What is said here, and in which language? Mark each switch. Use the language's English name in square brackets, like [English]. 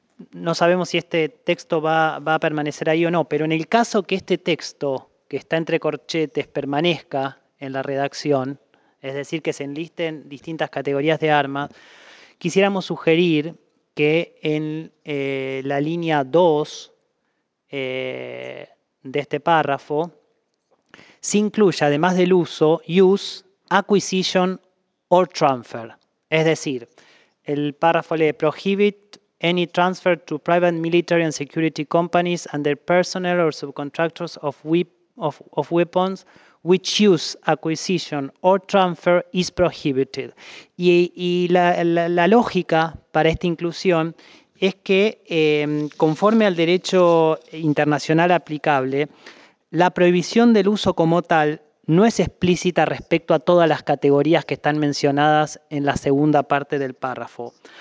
[Spanish] No sabemos si este texto va a permanecer ahí o no, pero en el caso que este texto que está entre corchetes permanezca en la redacción, es decir, que se enlisten distintas categorías de armas, quisiéramos sugerir que en la línea 2 de este párrafo se incluya, además del uso, [English] use, acquisition or transfer. [Spanish] Es decir, el párrafo lee [English] prohibit any transfer to private military and security companies and their personnel or subcontractors of weapons which use, acquisition or transfer is prohibited. [Spanish] Y la lógica para esta inclusión es que, conforme al derecho internacional aplicable, la prohibición del uso como tal no es explícita respecto a todas las categorías que están mencionadas en la segunda parte del párrafo.